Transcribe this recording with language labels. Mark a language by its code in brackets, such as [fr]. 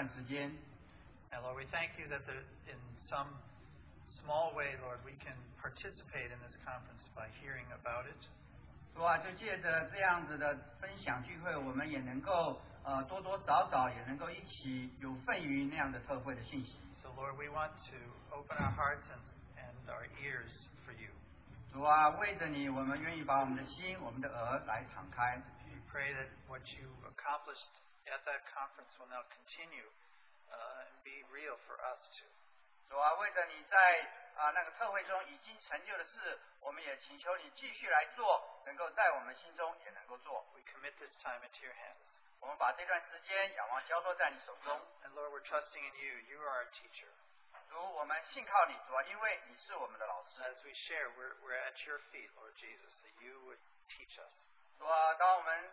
[en] Lord, we thank you that in some small way, Lord, we can participate in this conference by hearing about it. [zh] 主啊，就借着这样子的分享聚会，我们也能够多多少少也能够一起有份于那样的特会的信息。 [en] So Lord, we want to open our hearts and our ears for you. [zh] 主啊，为着你，我们愿意把我们的心、我们的耳来敞开。 [en] We pray that what you accomplished at that conference will now continue and be real for us too. [zh] 主啊，为着你在那个特会中已经成就的事，我们也请求你继续来做，能够在我们心中也能够做。 [en] We commit this time into your hands. [zh] 我们把这段时间仰望交托在你手中。 [en] And Lord, we're trusting in you. You are our teacher. [zh] 主，我们信靠你，主啊，因为你是我们的老师。 [en] As we share, we're at your feet, Lord Jesus, that you would teach us.